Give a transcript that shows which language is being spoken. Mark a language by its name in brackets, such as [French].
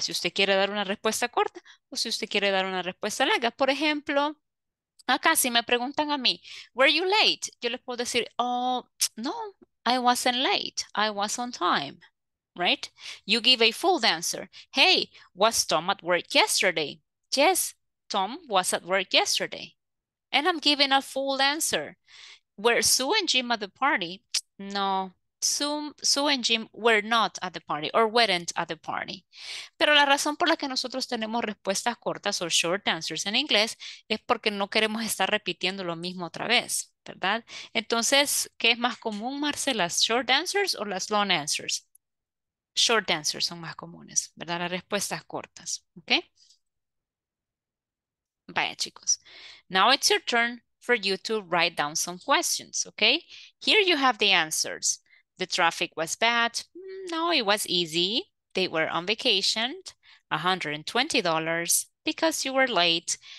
[Spanish] Si usted quiere dar una respuesta corta o si usted quiere dar una respuesta larga. Por ejemplo, acá si me preguntan a mí, [English] were you late? [Spanish] Yo les puedo decir, [English] oh, no, I wasn't late. I was on time, right? You give a full answer. Hey, was Tom at work yesterday? Yes, Tom was at work yesterday. And I'm giving a full answer. Were Sue and Jim at the party? No. Sue and Jim were not at the party or weren't at the party. [Spanish] Pero la razón por la que nosotros tenemos respuestas cortas o short answers en inglés es porque no queremos estar repitiendo lo mismo otra vez, ¿verdad? Entonces, ¿qué es más común, Marcela? ¿Las short answers o las long answers? Short answers son más comunes, ¿verdad? Las respuestas cortas, ¿ok? Vaya, chicos. [English] Now it's your turn for you to write down some questions, ¿ok? Here you have the answers. The traffic was bad. No, it was easy. They were on vacation. $120 because you were late.